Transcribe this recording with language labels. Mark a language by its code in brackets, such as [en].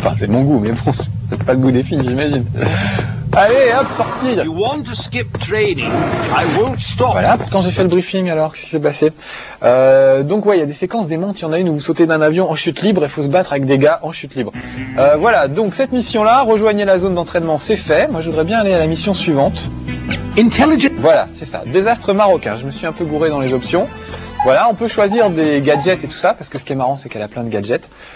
[fr] Enfin, c'est mon goût, mais bon, c'est peut-être pas le goût des filles, j'imagine. Allez, hop, sortie. [en] You want to skip training, I won't stop. [fr] Voilà, pourtant j'ai fait le briefing alors, qu'est-ce qui s'est passé? Donc ouais, il y a des séquences démentes, il y en a une où vous sautez d'un avion en chute libre et faut se battre avec des gars en chute libre. Voilà, donc cette mission-là, rejoignez la zone d'entraînement, c'est fait. Moi, je voudrais bien aller à la mission suivante. Intelligent. Voilà, c'est ça, désastre marocain, je me suis un peu gouré dans les options. Voilà, on peut choisir des gadgets et tout ça, parce que ce qui est marrant, c'est qu'elle a plein de gadgets.